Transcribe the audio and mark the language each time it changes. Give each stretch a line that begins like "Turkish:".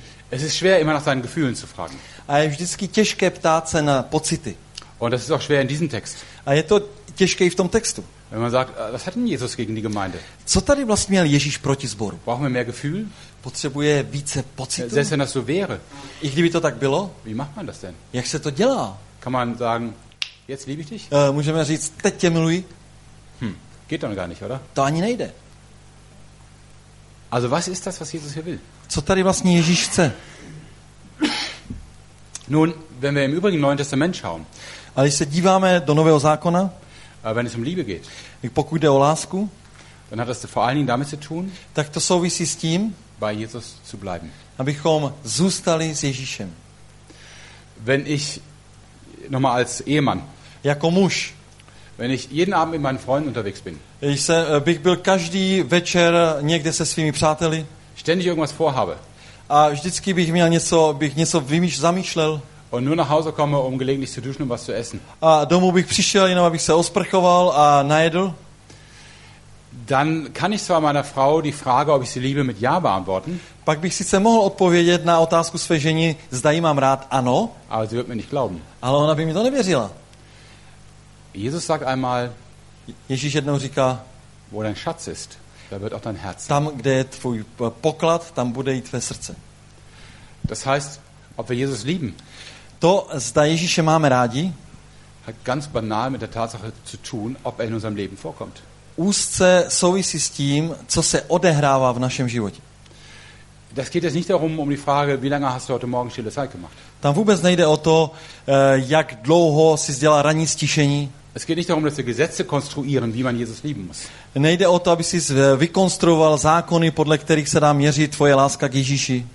German: Es ist schwer immer nach seinen Gefühlen zu fragen.
Czech: A je vždycky těžké ptát se na pocity.
German: Und das ist auch schwer in diesem Text.
Czech: A je to těžké i v tom textu.
German: Wenn man sagt, was hat denn Jesus gegen die Gemeinde?
Czech: Co tady vlastně měl Ježíš proti sboru?
German: Brauchen wir mehr Gefühl?
Czech: Potřebuje více pocitů?
German: Selbst wenn das so wäre.
Czech: I kdyby to tak bylo?
German: Wie macht man das denn?
Czech: Jak se to dělá?
German: Kann man sagen, jetzt liebe ich dich?
Czech: Můžeme říct, teď tě miluji.
German: Geht doch gar nicht, oder?
Czech: To ani nejde.
German: Also was ist das, was Jesus hier will?
Czech: Co tady vlastně Ježíš chce?
German: Nun, wenn wir im übrigen Neuen Testament schauen.
Czech: A když se díváme do Nového zákona,
German: wenn es um Liebe geht,
Czech: pokud jde o lásku,
German: dann hat das vor allen Dingen damit zu tun,
Czech: tak to souvisí s tím,
German: bei Jesus zu bleiben.
Czech: Abychom zůstali s Ježíšem.
German: Wenn ich, nochmal als Ehemann,
Czech: jako muž,
German: wenn ich jeden Abend mit meinen Freunden unterwegs bin,
Czech: bych byl každý večer někde se svými přáteli,
German: ständig irgendwas vorhabe,
Czech: a vždycky bych měl něco, zamýšlel,
German: und nur nach Hause komme, um gelegentlich zu duschen, um was zu essen.
Czech: A domů bych přišel, jenom abych se osprchoval a najedl.
German: Dann kann ich zwar meiner Frau die Frage, ob ich sie liebe, mit ja beantworten.
Czech: Pak bych sice mohl odpovědět na otázku své ženy, zda jí mám rád, ano. Ale
German: sie wird mir nicht glauben.
Czech: Ale ona by mi to nevěřila.
German: Jesus sagt einmal,
Czech: Ježíš jednou říká,
German: wo dein Schatz ist, da wird auch dein Herz.
Czech: Tam, kde je tvůj poklad, tam bude i tvé srdce.
German: Das heißt, ob wir Jesus lieben.
Czech: To, zda Ježíše máme rádi,
German: hat ganz banal mit der Tatsache zu tun, ob er in unserem Leben vorkommt.
Czech: Úzce souvisí s tím, co se odehrává v našem životě.
German: Das geht jetzt nicht darum, um die Frage, wie lange hast du heute morgen stille Zeit gemacht.
Czech: Tam vůbec nejde o to, jak dlouho jsi dělal ranní stišení.
German: Es geht nicht darum, dass wir Gesetze konstruieren, wie man Jesus lieben muss.
Czech: Nejde o to, aby jsi vykonstruoval zákony, podle kterých se dá měřit tvoje láska k Ježíši.